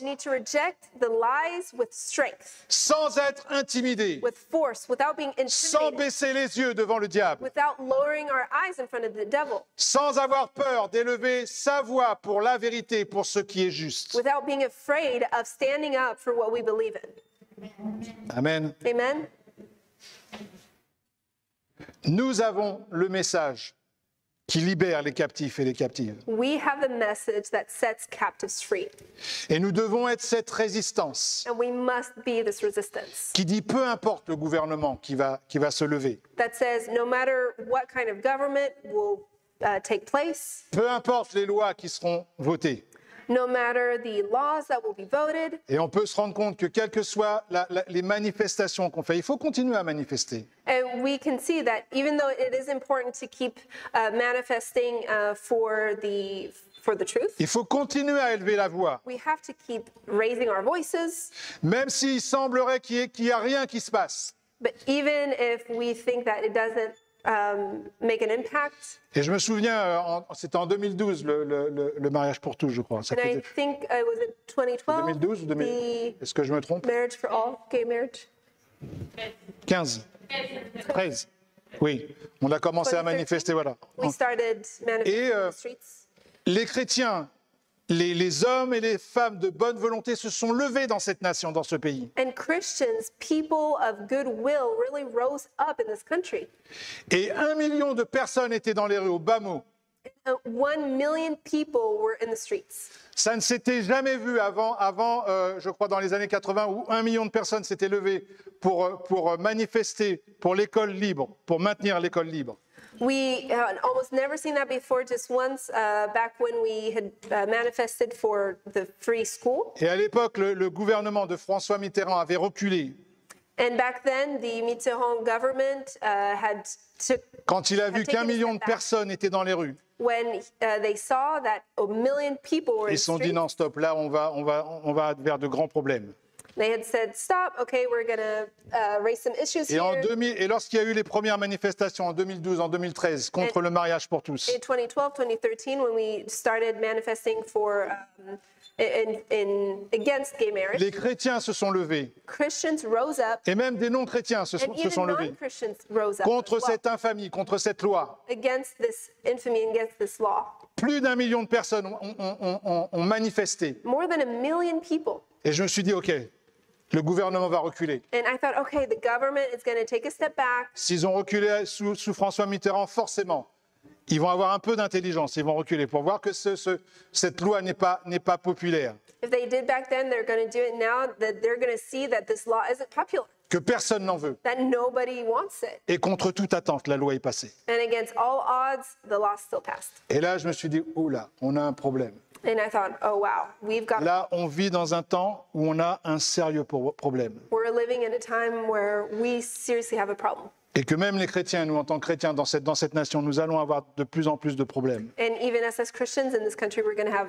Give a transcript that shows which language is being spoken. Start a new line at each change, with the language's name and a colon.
English: And need to reject the lies with strength.
French: Sans être intimidé.
English: With force, without being intimidated.
French: Sans baisser les yeux devant le diable.
English: Without lowering our eyes in front of the devil.
French: Sans avoir peur d'élever sa voix pour la vérité, pour ce qui est juste.
English: Without being afraid of standing up for what we believe in.
French: Amen.
English: Amen.
French: Nous avons le message qui libère les captifs et les captives.
English: We have a message that sets captives free.
French: Et nous devons être cette résistance.
English: And we must be this resistance.
French: Qui dit peu importe le gouvernement qui va se lever.
English: That says no matter what kind of government will take place.
French: Peu importe les lois qui seront votées.
English: No matter the laws that will be voted.
French: Et on peut se rendre compte que quelles que soient les manifestations qu'on fait, il faut continuer à manifester.
English: And we can see that even though it is important to keep manifesting for the truth.
French: Il faut continuer à élever la voix.
English: We have to keep raising our voices.
French: Même s'il semblerait qu'il y a rien qui se passe.
English: But even if we think that it doesn't make an impact.
French: Et je me souviens, c'était en 2012, le mariage pour tous, je crois.
English: And I think it was in 2012.
French: 2012 ou 2013? Est-ce que je me trompe?
English: Marriage for all, gay marriage.
French: 15. 13. Oui, on a commencé à manifester, voilà.
English: We started manifesting in the streets.
French: Les chrétiens, les hommes et les femmes de bonne volonté se sont levés dans cette nation, dans ce pays.
English: And Christians, people of goodwill, really rose up in this country.
French: Et 1 million de personnes étaient dans les rues au bas mot.
English: 1 million people were in the streets.
French: Ça ne s'était jamais vu avant, je crois, dans les années 80, où 1 million de personnes s'étaient levées pour manifester pour l'école libre, pour maintenir l'école libre.
English: We had almost never seen that before, just once, back when we had manifested for the free school.
French: Et à l'époque, le gouvernement de François Mitterrand avait reculé.
English: And back then, the Mitterrand government
French: quand il a vu qu'un million de personnes étaient dans les rues.
English: When they saw that a million people were in the
French: Ils se sont dit, non, stop, là, on va vers de grands problèmes.
English: They had said, stop, okay, we're going to raise some issues
French: et
English: here.
French: Et lorsqu'il y a eu les premières manifestations en 2012, en 2013, contre le mariage pour tous.
English: In 2012, 2013, when we started manifesting for, against gay marriage.
French: Les chrétiens se sont levés.
English: Christians rose up.
French: Et même des non-chrétiens se sont levés.
English: Non-Christians rose up.
French: Contre cette infamie, contre cette loi.
English: Against this infamy, against this law.
French: Plus d'un million de personnes ont manifesté.
English: More than a million people.
French: Et je me suis dit, OK, le gouvernement va reculer.
English: And I thought, okay, the government is going to take a step back.
French: S'ils ont reculé sous François Mitterrand, forcément, ils vont avoir un peu d'intelligence, ils vont reculer pour voir que cette loi n'est pas populaire.
English: If they did back then, they're going to do it now, that they're going to see that this law isn't popular.
French: Que personne n'en veut.
English: That nobody wants it.
French: Et contre toute attente, la loi est passée.
English: And against all odds, the law still passed.
French: Et là, je me suis dit, oula, on a un problème.
English: And I thought, oh wow, we've got.
French: Là, on vit dans un temps où on a un sérieux problème.
English: We're living in a time where we seriously have a problem.
French: Et que même les chrétiens, nous, en tant que chrétiens dans cette nation, nous allons avoir de plus en plus de problèmes.
English: And even us as Christians in this country, we're going to have.